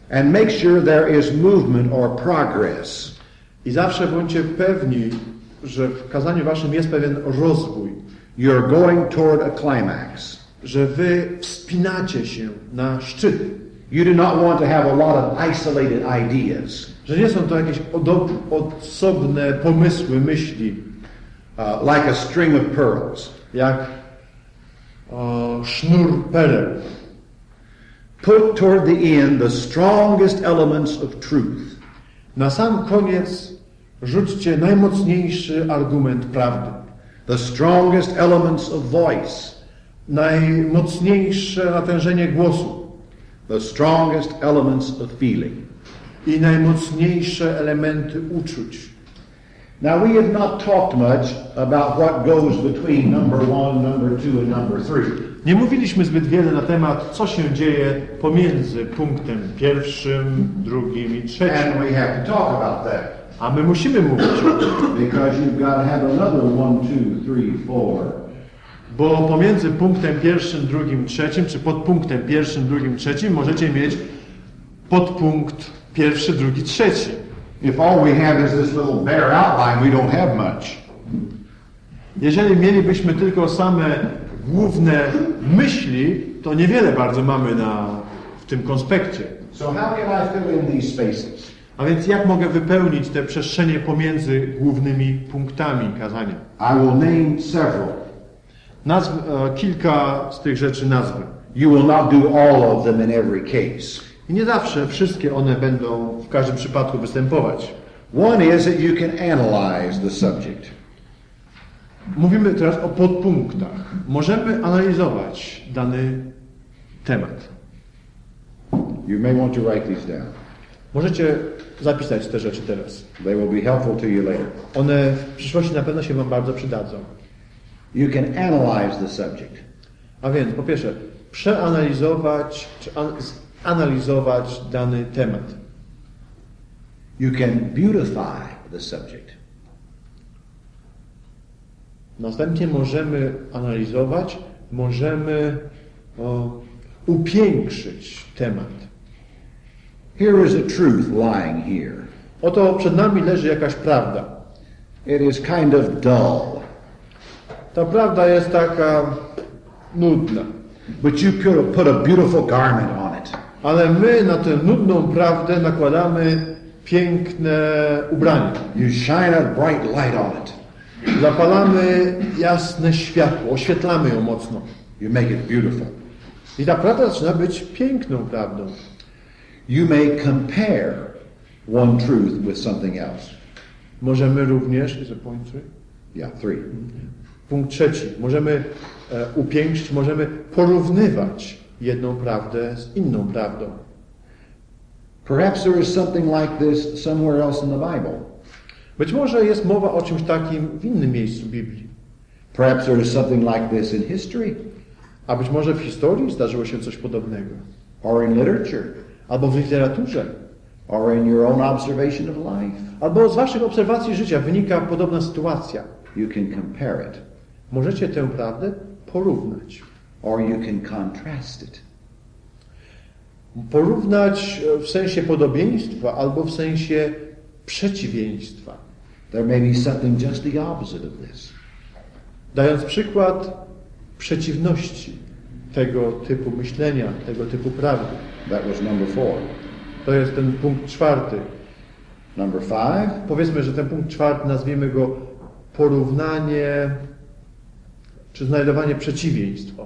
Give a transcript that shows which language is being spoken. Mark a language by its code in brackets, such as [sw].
[en] And make sure there is movement or progress. [pl] I zawsze bądźcie pewni, że w kazaniu waszym jest pewien rozwój. [en] You're going toward a climax. [pl] Że wy wspinacie się na szczyt. [en] You do not want to have a lot of isolated ideas. [pl] Że nie są to jakieś osobne pomysły, myśli. [en] Like a string of pearls. [pl] Jak sznur perek. [en] Put toward the end the strongest elements of truth. [pl] Na sam koniec rzućcie najmocniejszy argument prawdy. [en] The strongest elements of voice. [pl] Najmocniejsze natężenie głosu. [en] The strongest elements of feeling. [pl] I najmocniejsze elementy uczuć. [en] Now we have not talked much about what goes between number one, number two and number three. [pl] Nie mówiliśmy zbyt wiele na temat, co się dzieje pomiędzy punktem pierwszym, drugim i trzecim. [en] And we have to talk about that. [pl] A my musimy mówić. [en] Because you've got to have another one, two, three, four. [pl] Bo pomiędzy punktem pierwszym, drugim, trzecim, czy pod punktem pierwszym, drugim, trzecim, możecie mieć podpunkt pierwszy, drugi, trzeci. [en] If all we have is this little bare outline, we don't have much. [pl] Jeżeli mielibyśmy tylko same główne myśli, to niewiele bardzo mamy w tym konspekcie. [en] So how can I fill in these spaces? [pl] A więc jak mogę wypełnić te przestrzenie pomiędzy głównymi punktami kazania? [en] I will name several. [pl] Kilka z tych rzeczy nazwę. [en] You will not do all of them in every case. [pl] I nie zawsze wszystkie one będą w każdym przypadku występować. [en] One is that you can analyze the subject. [pl] Mówimy teraz o podpunktach. Możemy analizować dany temat. [en] You may want to write these down. [pl] Możecie zapisać te rzeczy teraz. [en] They will be helpful to you later. [pl] One w przyszłości na pewno się wam bardzo przydadzą. [en] You can analyze the subject. [pl] A więc po pierwsze, przeanalizować czy analizować dany temat. [en] You can beautify the subject. [pl] Następnie możemy analizować, możemy upiększyć temat. [en] Here is a truth lying here. [pl] Oto przed nami leży jakaś prawda. [en] It is kind of dull. [pl] Ta prawda jest taka nudna. [en] But you put a beautiful garment on it. [pl] Ale my na tę nudną prawdę nakładamy piękne ubranie. [en] You shine a bright light on it. [pl] Zapalamy jasne światło, oświetlamy ją mocno. [en] You make it beautiful. [pl] I ta prawda zaczyna być piękną prawdą. [en] You may compare one truth with something else. [pl] Możemy również, [en] is it point three? Yeah, three. [pl] Punkt trzeci. Możemy upiększyć, możemy porównywać jedną prawdę z inną prawdą. [en] Perhaps there is something like this somewhere else in the Bible. [pl] Być może jest mowa o czymś takim w innym miejscu Biblii. [en] Perhaps there is something like this in history. [pl] A być może w historii zdarzyło się coś podobnego. [en] Or in literature. [pl] Albo w literaturze. [en] Or in your own observation of life. [pl] Albo z waszych obserwacji życia wynika podobna sytuacja. [en] You can compare it. [pl] Możecie tę prawdę porównać. [en] Or you can contrast it. [pl] Porównać w sensie podobieństwa albo w sensie przeciwieństwa. [en] There may be something just the opposite of this. [pl] Dając przykład przeciwności tego typu myślenia, tego typu prawdy. [en] That was number four. [pl] To jest ten punkt czwarty. [en] Number five. [pl] Powiedzmy, że ten punkt czwarty nazwijmy go porównanie czy znajdowanie przeciwieństw.